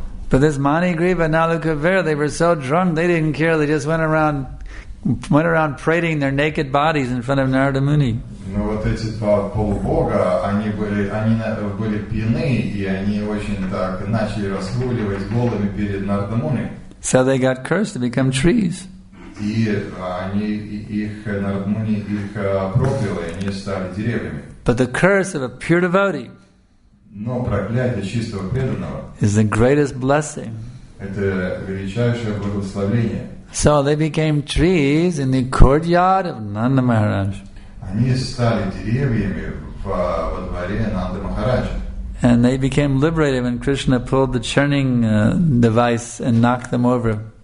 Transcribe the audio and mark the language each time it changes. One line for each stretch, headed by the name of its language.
English: But this Manigriva and Alukavera, they were so drunk, they didn't care, they just went around prating their naked bodies in front of Narada Muni.
Russian: Ну вот эти два полубога, они были пьяны, и они очень так начали разгуливать голыми перед Нарада Муни.
English: So they got cursed to become trees.
Russian: И они их Нарада Муни их прокляли, они стали деревьями.
English: But the curse of a pure devotee.
Russian: Но проклятие чистого преданного.
English: Is the greatest blessing.
Russian: Это величайшее благословение.
English: So they became trees in the courtyard of Nanda Maharaj.
Russian: Они стали деревьями во дворе Нанды Махараджа.
English: And they became liberated when Krishna pulled the churning device and knocked them over.